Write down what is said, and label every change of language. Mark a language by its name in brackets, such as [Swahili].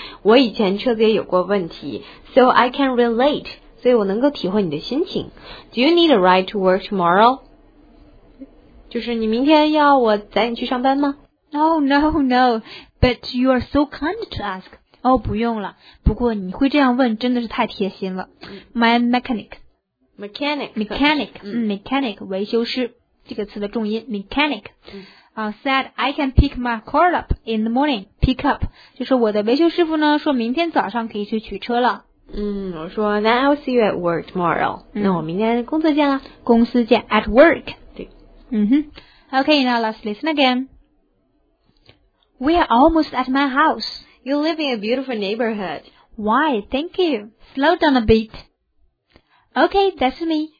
[Chinese] 我以前车子也有过问题。 [English] So I can relate. [Chinese] 所以我能够体会你的心情。 [English] Do you need a ride to work tomorrow? [Chinese] 就是你明天要我载你去上班吗 [English] ？No. But you are so kind to ask. 不用了。 [Chinese] 不过你会这样问真的是太贴心了。 [English] My mechanic. Mechanic. [Chinese] Mechanic. 维修师。这个词的重音 mechanic. [English] Said I can pick my car up in the morning. Pick up. [Chinese] 就是我的维修师傅呢说明天早上可以去取车了。 [English] 我说 Then I'll see you at work tomorrow. [Chinese] 那我明天工作见啦。公司见 at work. 对。 [English] Okay, now let's listen again. We are almost at my house. You live in a beautiful neighborhood. Why, thank you. Slow down a bit. Okay, that's me.